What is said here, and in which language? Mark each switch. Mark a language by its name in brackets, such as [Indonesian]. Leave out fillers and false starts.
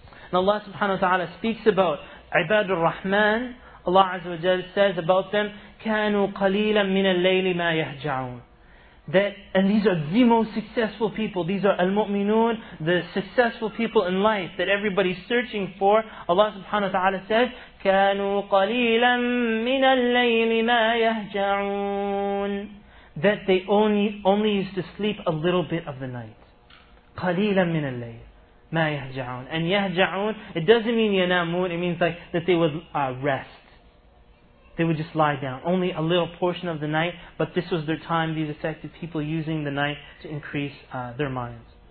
[English] And Allah subhanahu wa ta'ala speaks about Ibadur Rahman. Allah azza wa jalla says about them, [Arabic] كَانُوا قَلِيلًا مِنَ اللَّيْلِ مَا يَهْجَعُونَ. [English] That, and these are the most successful people. These are al-mu'minun, the successful people in life that everybody's searching for. Allah subhanahu wa ta'ala says, [Arabic] كَانُوا قَلِيلًا مِنَ اللَّيْلِ مَا يَهْجَعُونَ. [English] That they only used to sleep a little bit of the night. [Arabic] قَلِيلًا مِنَ اللَّيْلِ مَا يَهْجَعُونَ. [English] And يَهْجَعُونَ, it doesn't mean ينامون, it means like that they would rest. They would just lie down, only a little portion of the night, but this was their time, these effective people using the night to increase their minds.